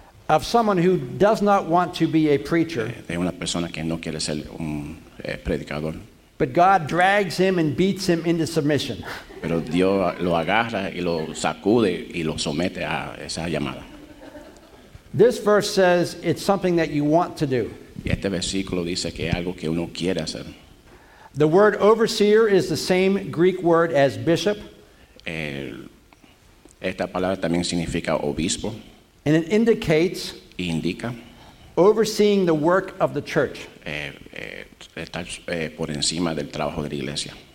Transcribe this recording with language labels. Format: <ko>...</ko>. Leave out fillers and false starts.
<en>Of someone who does not want to be a preacher.</en> <es>De una persona que no quiere ser un predicador.</es> <en>But God drags him and beats him into submission.</en> <es>Pero Dios lo agarra y lo sacude y lo somete a esa llamada.</es> <en>This verse says it's something that you want to do.</en> <es>Y este versículo dice que es algo que uno quiere hacer.</es> <en>The word overseer is the same Greek word as bishop.</en> <es>Esta palabra también significa obispo.</es> <en>And it indicates</en> <es>indica</es> <en>overseeing the work of the church.</en> <es>Por encima del trabajo de la iglesia.</es>